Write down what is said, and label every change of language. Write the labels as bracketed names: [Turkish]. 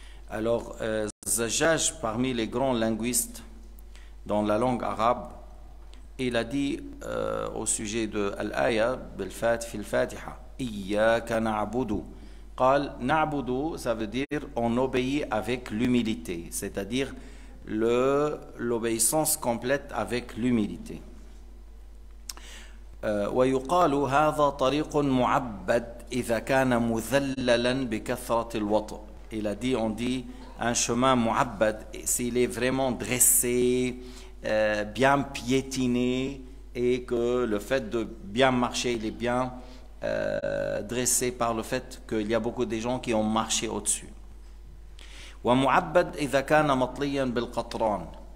[French] Alors, Zajjaj, parmi les grands linguistes dans la langue arabe, il a dit au sujet de l'aya, [Arabic] في الفاتحة, إياك نعبد. قال: نعبد, [French] ça veut dire on obéit avec l'humilité, c'est-à-dire l'obéissance complète avec l'humilité. [Arabic] ويقال هذا طريق معبد إذا كان مذللا بكثرة الوطأ. [French] Il a dit, on dit, un chemin معبد s'il est vraiment dressé, bien piétiné, et que le fait de bien marcher, il est bien dressé par le fait qu'il y a beaucoup de gens qui ont marché au-dessus. [Arabic] ومعبد إذا كان مطليا بالقطران.